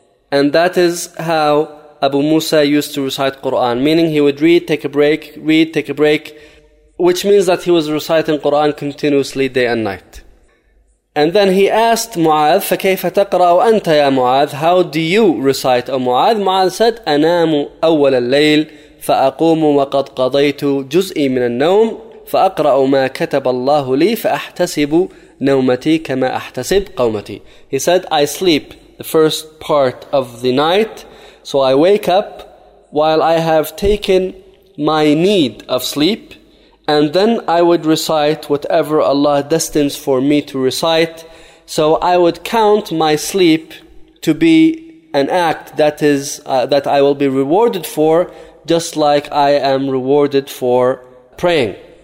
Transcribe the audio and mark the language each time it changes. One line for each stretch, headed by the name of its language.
English: And that is how Abu Musa used to recite Quran, meaning he would read, take a break, read, take a break, which means that he was reciting Quran continuously day and night. And then he asked Mu'adh,
Arabic: فَكَيْفَ تَقْرَأُ أَنْتَ يَا مُعَاذ,
English: how do you recite, O Mu'adh? Mu'adh said,
Arabic: أَنَامُ أَوَّلَ اللَّيْلِ فَأَقُومُ وَقَدْ قَضَيْتُ جُزْءِ مِنَ النَّوْمِ فَأَقْرَأُ مَا كَتَبَ اللَّهُ لِي فَأَحْتَسِبُ نَوْمَتِي كَمَا أَحْتَسِبْ قَوْمَتِي.
English: He said, I sleep the first part of the night, so I wake up while I have taken my need of sleep, and then I would recite whatever Allah destines for me to recite. So I would count my sleep to be an act that is that I will be rewarded for, just like I am rewarded for praying.